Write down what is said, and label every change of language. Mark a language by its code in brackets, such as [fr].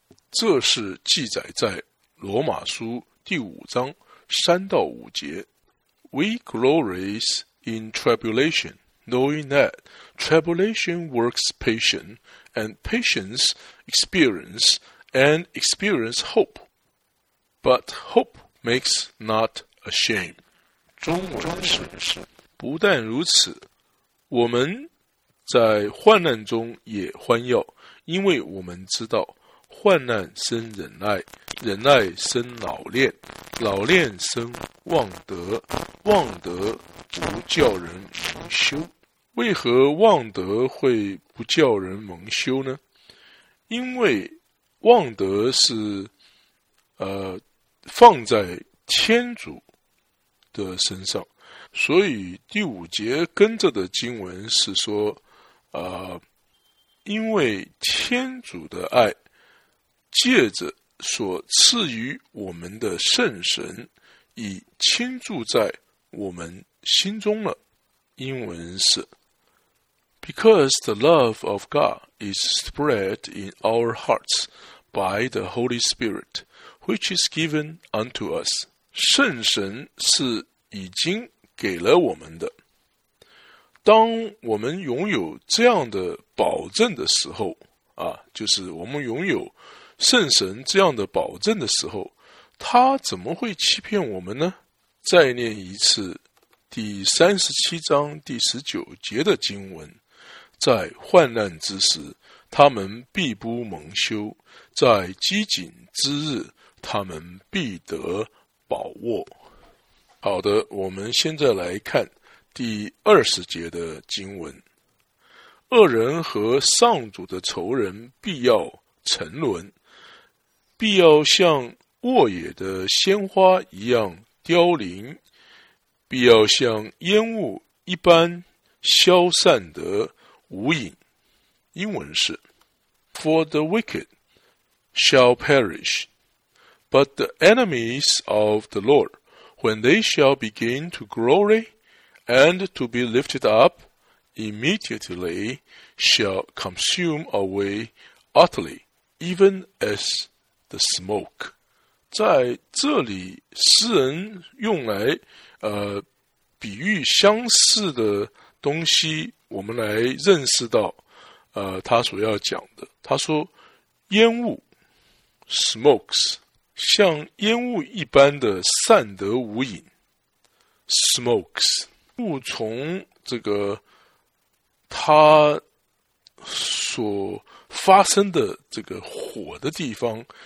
[zh] 这是记载在罗马书第五章三到五节。 [en] We glories in tribulation, knowing that tribulation works patience, and patience experience, and experience hope. But hope makes not ashamed. [zh] 中文是，不但如此，我们在患难中也欢耀，因为我们知道患难生忍耐，忍耐生老练，老练生忘德，忘德不叫人蒙羞。为何忘德会不叫人蒙羞呢？因为忘德是放在天主的身上。所以第五节跟着的经文是说因为天主的爱借着所赐予我们的圣神已倾注在我们心中了。英文是 [en] Because the love of God is spread in our hearts by the Holy Spirit which is given unto us. [zh] 圣神是已经给了我们的，当我们拥有这样的保证的时候啊，就是我们拥有圣神这样的保证的时候，他怎么会欺骗我们呢？再念一次第37章第19节的经文，在患难之时他们必不蒙羞，在饥馑之日他们必得宝物。好的，我们现在来看第20节的经文，恶人和上主的仇人必要沉沦，必要像沃野的鲜花一样凋零，必要像烟雾一般消散得无影。英文是 [en] For the wicked shall perish, but the enemies of the Lord, when they shall begin to glory and to be lifted up, immediately shall consume away utterly, even as the smoke. [zh] 在这里诗人用来比喻相似的东西，我们来认识到他所要讲的。他说烟雾 smokes 像烟雾一般的散得无影， smokes 雾从这个他所发生的这个火的地方